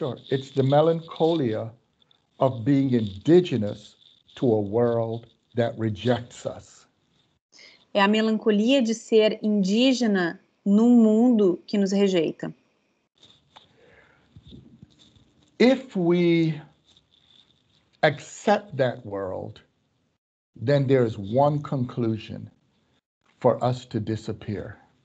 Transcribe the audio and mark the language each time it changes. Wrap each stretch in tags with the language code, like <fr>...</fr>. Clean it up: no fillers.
<en>It's the melancholia of being indigenous to a world that rejects us.</en> <pt>É a melancolia de ser indígena num mundo que nos rejeita.</pt> <en>If we accept that world, then there is one conclusion for us to disappear.</en>